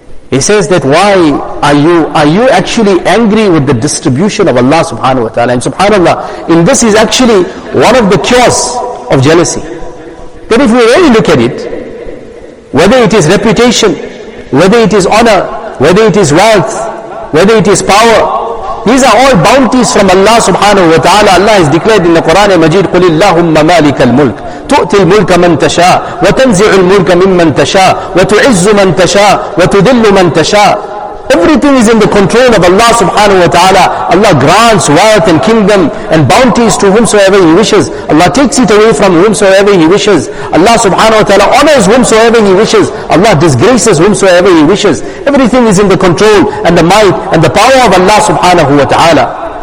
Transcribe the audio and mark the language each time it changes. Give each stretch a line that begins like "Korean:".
English: He says that why are you actually angry with the distribution of Allah subhanahu wa ta'ala? And subhanallah, in this is actually one of the cures of jealousy. That if we really look at it, whether it is reputation, whether it is honor, whether it is wealth, whether it is power, these are all bounties from Allah subhanahu wa ta'ala. Allah has declared in the Quran Majid,
Arabic: قُلِ اللَّهُمَّ مَالِكَ الْمُلْكِ تُؤْتِي الْمُلْكَ مَنْ تَشَاءُ وَتَنْزِعُ الْمُلْكَ مِمَّنْ تَشَاءُ وَتُعِزُّ مَنْ تَشَاءُ وَتُذِلُّ مَنْ تَشَاءُ.
English: Everything is in the control of Allah subhanahu wa ta'ala. Allah grants wealth and kingdom and bounties to whomsoever He wishes. Allah takes it away from whomsoever He wishes. Allah subhanahu wa ta'ala honors whomsoever He wishes. Allah disgraces whomsoever He wishes. Everything is in the control and the might and the power of Allah subhanahu wa ta'ala.